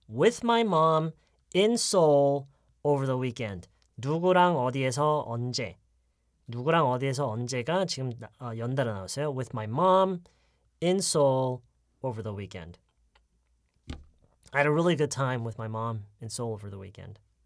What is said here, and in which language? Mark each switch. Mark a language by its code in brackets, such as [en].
[en] with my mom in Seoul over the weekend. [ko] 누구랑 어디에서 언제? 누구랑 어디에서 언제가 지금 연달아 나왔어요. [en] With my mom in Seoul over the weekend. I had a really good time with my mom in Seoul over the weekend.